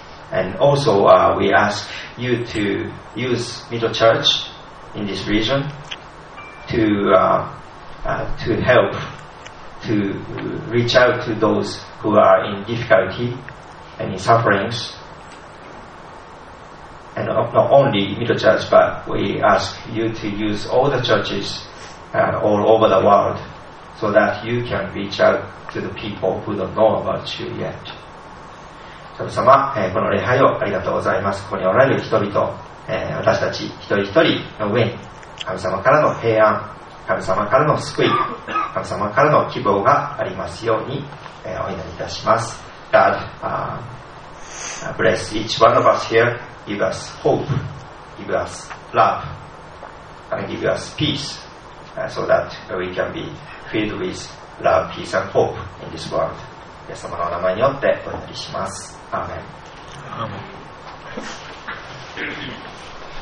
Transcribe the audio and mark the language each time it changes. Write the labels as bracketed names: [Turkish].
[English] And also we ask you to use Middle Church in this region to help to reach out to those who are in difficulty and in sufferings. And not only Middle Church, but we ask you to use all the churches all over the world so that you can reach out to the people who don't know about you yet. [Japanese] 神様、この礼拝をありがとうございます。ここにおられる人々、私たち一人一人の上に神様からの平安、神様からの救い、神様からの希望がありますように、お祈りいたします。 [English] God, bless each one of us here. Give us hope, give us love, and give us peace, so that we can be filled with love, peace and hope in this world. [Japanese] 神様のお名前によってお祈りします。アーメン。